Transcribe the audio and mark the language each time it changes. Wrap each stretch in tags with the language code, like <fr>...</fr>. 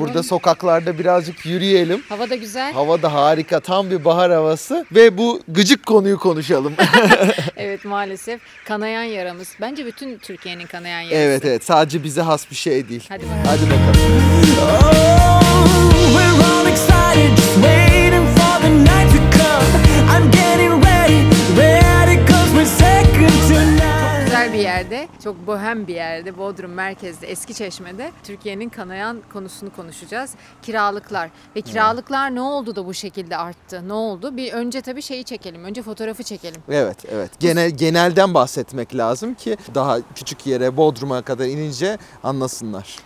<tr>Burada sokaklarda birazcık yürüyelim. Hava da güzel. Hava da harika. Tam bir bahar havası. Ve bu gıcık konuyu konuşalım. Evet, maalesef. Kanayan yaramız. Bence bütün Türkiye'nin kanayan yarası. Evet evet. Sadece bize has bir şey değil. Hadi bakalım. Hadi bakalım.</tr> <en>Oh, we're all excited. Just waiting for the night to come. I'm getting ready, ready 'cause we're second to none.</en> <tr>Bir yerde, çok bohem bir yerde, Bodrum merkezde, Eski Çeşme'de Türkiye'nin kanayan konusunu konuşacağız. Kiralıklar. Ve kiralıklar ne oldu da bu şekilde arttı? Ne oldu? Bir önce tabii şeyi çekelim. Önce fotoğrafı çekelim. Evet, evet. Genelden bahsetmek lazım ki daha küçük yere, Bodrum'a kadar inince anlasınlar.</tr>